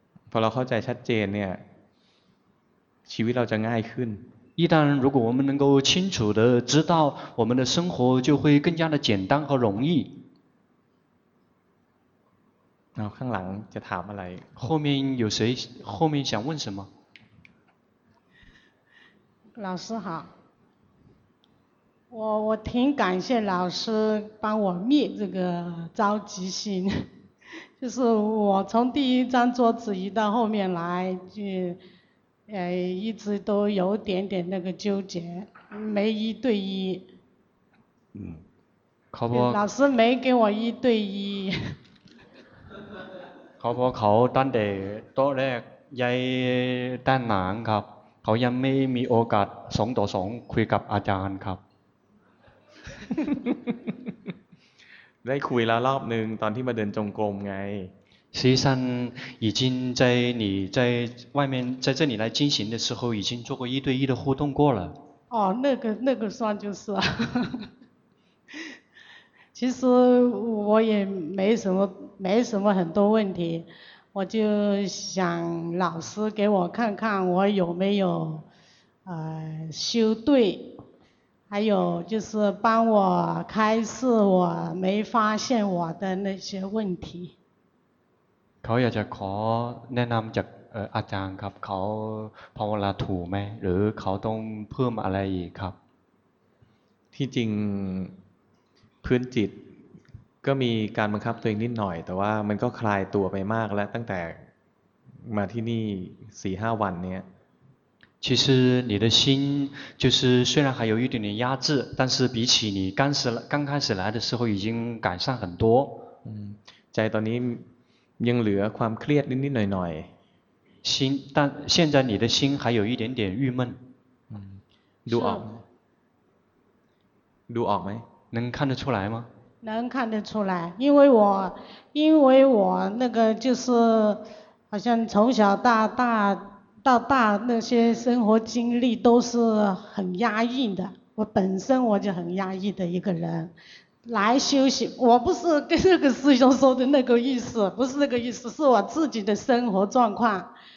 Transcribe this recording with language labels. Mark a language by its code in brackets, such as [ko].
[th] พอเราเข้าใจชัดเจนเนี่ยชีวิตเราจะง่ายขึ้น [zh] 一旦如果我们能够清楚的知道我们的生活就会更加的简单和容易然后 [th] ข้างหลังจะถามอะไร [zh] 后面想问什么老师好我挺感谢老师帮我灭这个着急心就是我从第一张桌子移到后面来就一直都有点点那个纠结没一对一考不老师没给我一对一考不考 [th] ตั้งแต่ตอนแรกยายด้านหลังครับเขายังไม่มีโอกาสสองต่อสองคุยกับอาจารย์ครับ ได้คุยแล้วรอบนึงตอนที่มาเดินจงกรมไง [zh] 实际上已经在你在外面在这里来进行的时候已经做过一对一的互动过了哦那个算就是其实我也没什么很多问题我就想老师给我看看我有没有修对还有就是帮我开示我没发现我的那些问题 [th] เขาอยากจะขอแนะนำจากอาจารย์ครับเขาภาวนาถูกไหมหรือเขาต้องเพิ่มอะไรอีกครับ ที่จริงพื้นจิตก็มีการบังคับตัวเองนิดหน่อยแต่ว่ามันก็คลายตัวไปมากแล้วตั้งแต่มาที่นี่สี่ห้าวันเนี้ย [zh] 其实你的心就是虽然还有一点点压制但是比起你刚开始来的时候已经改善很多在 [th] ตอนนี้ยังเหลือความเครียดนิดๆหน่อย [zh] ๆ心但现在你的心还有一点点郁闷 [th] ดูออกดูออกไหม [zh] 能看得出来吗能看得出来因为我那个就是好像从小到大那些生活经历都是很压抑的我本身我就很压抑的一个人来修行我不是跟那个师兄说的那个意思不是那个意思是我自己的生活状况